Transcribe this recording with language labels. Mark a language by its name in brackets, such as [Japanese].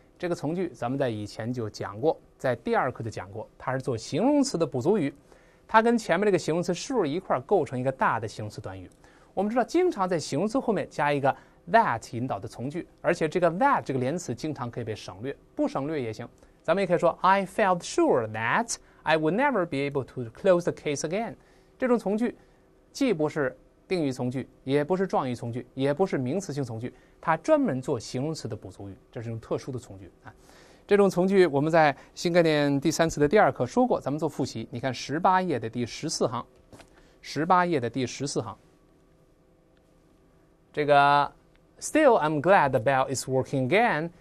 [Chinese] 这个从句咱们在以前就讲过，在第二课就讲过，它是做形容词的补足语，它跟前面这个形容词 sure 一块构成一个大的形容词短语。我们知道，经常在形容词后面加一个 that 引导的从句，而且这个 that 这个连词经常可以被省略，不省略也行。咱们也可以说 [English] I felt sure that I would never be able to close the case again。 [Chinese] 这种从句既不是定语从句，也不是状语从句，也不是名词性从句，它专门做形容词的补足语，这是一种特殊的从句啊。这种从句我们在新概念第三次的第二课说过，咱们做复习，你看18页的第14行，这个 [English] Still I'm glad the bell is working again。